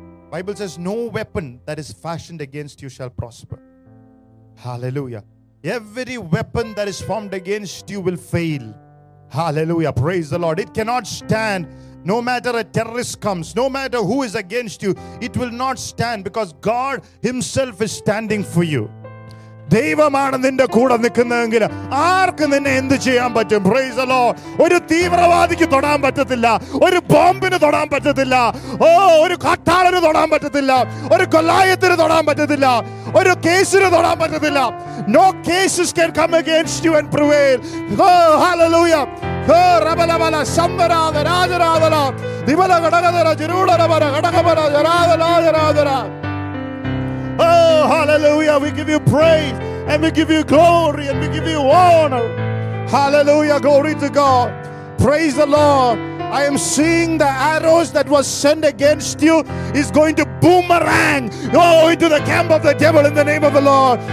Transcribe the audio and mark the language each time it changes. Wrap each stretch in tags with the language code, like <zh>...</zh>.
<en>Bible says, no weapon that is fashioned against you shall prosper. Hallelujah. Every weapon that is formed against you will fail. Hallelujah. Praise the Lord. It cannot stand. No matter a terrorist comes, no matter who is against you, it will not stand because God Himself is standing for you.</en> <ml>ദൈവമാണ് നിന്റെ കൂടെ നിൽക്കുന്നതെങ്കിൽ ആർക്ക് നിന്നെ എന്ത് ചെയ്യാൻ പറ്റും?</ml> <en>Praise the Lord.</en> <ml>ഒരു തീവ്രവാദിക്ക് തൊടാൻ പറ്റത്തില്ല, ഒരു ബോംബിന് തൊടാൻ പറ്റത്തില്ല, ഓ ഒരു കാട്ടാളന് തൊടാൻ പറ്റത്തില്ല, ഒരു ഗൊല്ലായത്തിന് തൊടാൻ പറ്റത്തില്ല, ഒരു കേസിന് തൊടാൻ പറ്റത്തില്ല.</ml> <en>No cases can come against you and prevail. Oh hallelujah. Oh റബലബല സംവരാദ രാജരാദല ദിവല ഘടകതര ജിരൂടരവര ഘടകമര ജരാദല ജരാദര. Oh, hallelujah. We give you praise and we give you glory and we give you honor. Hallelujah. Glory to God. Praise the Lord. I am seeing the arrows that was sent against you is going to boomerang. Go into the camp of the devil in the name of the Lord.</en>